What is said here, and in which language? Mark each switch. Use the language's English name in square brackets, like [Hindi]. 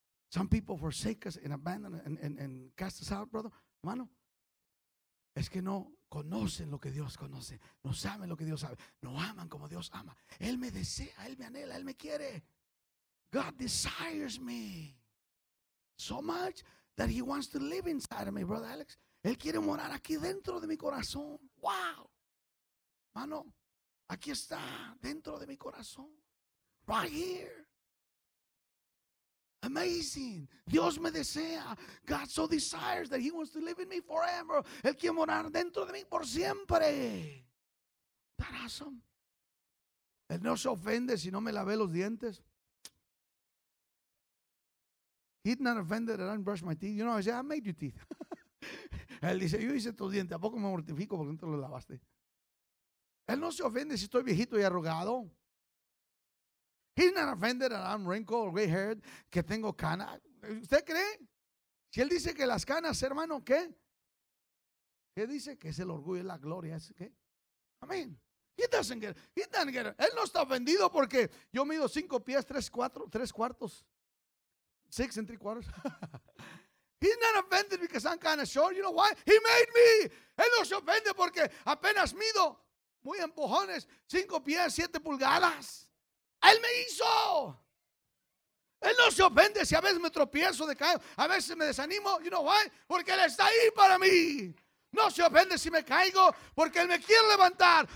[English] Some people forsake us and abandon and cast us out, brother. [Spanish] Hermano, es que no conocen lo que Dios conoce, no saben lo que Dios sabe, no aman como Dios ama. Él me desea, Él me anhela, Él me quiere. [English] God desires me so much that He wants to live inside of me, brother Alex. [Spanish] Él quiere morar aquí dentro de mi corazón. Wow, mano, aquí está, dentro de mi corazón. [English] Right here. Amazing. [Spanish] Dios me desea. [English] God so desires that He wants to live in me forever. [Spanish] Él quiere morar dentro de mí por siempre. [English] That awesome. [Spanish] Él no se ofende si no me lavé los dientes. [English] He's not offended that I didn't brush my teeth. You know, I said, I made your teeth. [Spanish] Él dice, yo hice tus dientes. ¿A poco me mortifico porque no te los lavaste? Él no se ofende si estoy viejito y arrugado. [English] He's not offended that I'm wrinkled or gray-haired, [Spanish] que tengo canas. [English] ¿Usted cree? [Spanish] Si él dice que las canas, hermano, ¿qué? ¿Qué dice? Que es el orgullo, es la gloria, ¿es qué? Amén. [English] He doesn't get it. [Spanish] Él no está ofendido porque yo mido 5 pies, 3 cuartos. 6 3/4. [English] He's not offended because I'm kind of short. You know why? He made me. [Spanish] Él no se ofende porque apenas mido muy empujones, 5 pies, 7 pulgadas. Él me hizo. Él no se ofende si a veces me tropiezo, de caigo, a veces me desanimo. [English] You know why? [Spanish] Porque Él está ahí para mí. No se ofende si me caigo, porque Él me quiere levantar.